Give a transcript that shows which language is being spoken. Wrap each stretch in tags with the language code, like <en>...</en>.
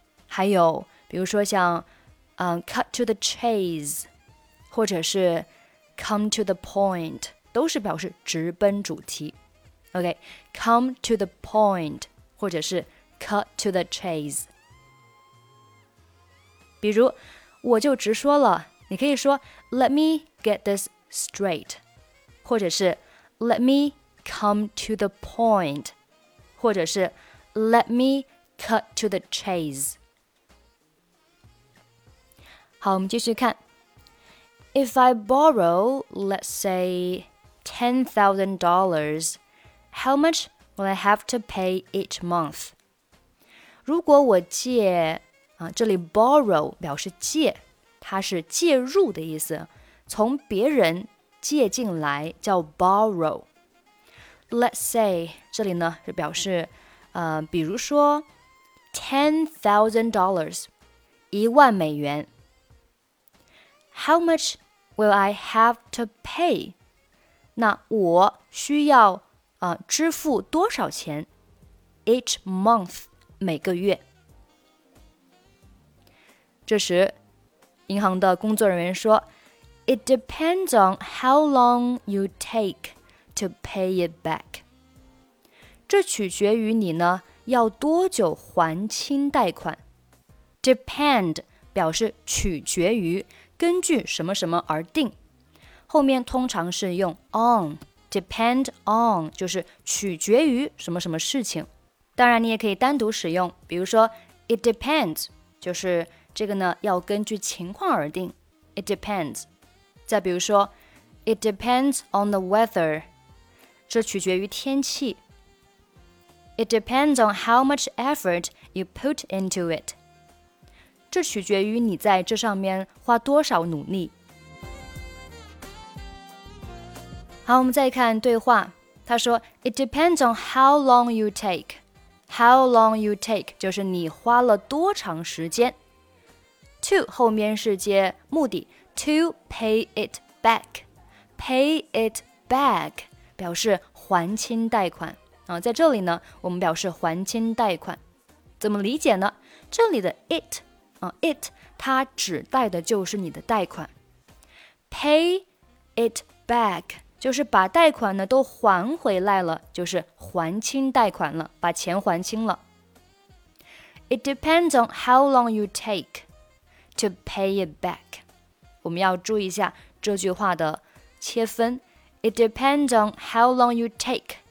<zh>还有比如说像、</zh> <en>cut to the chase</en> <zh>或者是</zh> <en>come to the point</en> <zh>都是表示直奔主题</zh> <en>OK come to the point</en> <zh>或者是</zh> <en>cut to the chase</en> <zh>比如我就直说了你可以说</zh> <en>let me get this straight</en> <zh>或者是</zh> <en>let me come to the point</en> <zh>或者是</zh> <en>let me cut to the chase</en> <zh>好我们继续看</zh> <en>If I borrow, let's say, $10,000, how much will I have to pay each month?</en> <zh>如果我借、这里 borrow 表示借它是借入的意思从别人借进来叫 borrow</zh> <en>Let's say,</en> <zh>这里呢是表示、比如说</zh> <en>$10,000,</en> <zh>一万美元</zh> <en>How much will I have to pay?</en> <zh>那我需要、支付多少钱</zh> <en>Each month,</en> <zh>每个月。这时银行的工作人员说</zh> <en>It depends on how long you take to pay it back.</en> <zh>这取决于你呢要多久还清贷款。</zh> <en>Depend</en> <zh>表示取决于根据什么什么而定，后面通常是用 on,</zh> <en>depend on,</en> <zh>就是取决于什么什么事情。当然你也可以单独使用，比如说</zh> <en>it depends,</en> <zh>就是这个呢要根据情况而定</zh> <en>,it depends。</en> <zh>再比如说</zh> <en>it depends on the weather,</en> <zh>这取决于天气。</zh> <en>it depends on how much effort you put into it.</en> <zh>这取决于你在这上面花多少努力。好，我们再看对话。他说</zh> <en>：“It depends on how long you take. How long you take</en> <zh>就是你花了多长时间。 To 后面是接目的</zh> <en>，to pay it back. Pay it back</en> <zh>表示还清贷款。在这里呢，我们表示还清贷款。怎么理解呢？这里的 it。” It 它指代的就是你的贷款</zh> <en>Pay it back</en> <zh>就是把贷款呢都还回来了，就是还清贷款了，把钱还清了。</zh> <en>It depends on how long you take to pay it back.</en> <zh>我们要注意一下这句话的切分。</zh> <en>It depends on how long you take.</en>